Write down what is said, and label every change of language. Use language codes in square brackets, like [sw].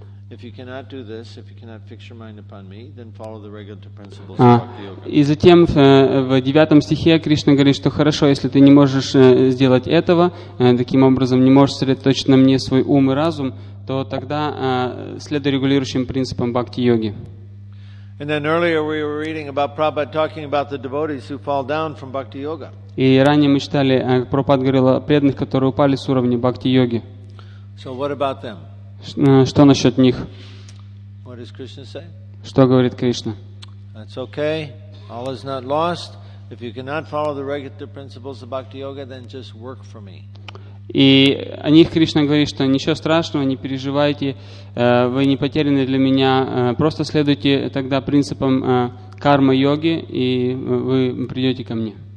[en] If you cannot do this, if you cannot fix your mind upon me, then follow the regulative principles of Bhakti Yoga." [ru] И затем в 9 стихе Кришна говорит, что хорошо, если ты не можешь сделать этого, таким образом не можешь сосредоточить на мне свой ум и разум, то тогда следуй регулирующим принципам Бхакти Йоги. [en] And then earlier we were reading about Prabhupada talking about the devotees who fall down from Bhakti Yoga. [ru] И ранее мы читали, Прабхупада говорил о преданных, которые упали с уровня Бхакти Йоги. [en] So what about them? [ru] Что насчет них? [en] What does Krishna say? [ru] Что говорит Кришна? [en] That's okay. All is not lost. If you cannot follow the regulative principles of Bhakti Yoga, then just work for me. [ru] И о них Кришна говорит, что ничего страшного, не переживайте, вы не потеряны для меня, просто следуйте тогда принципам карма-йоги, и вы придете ко мне.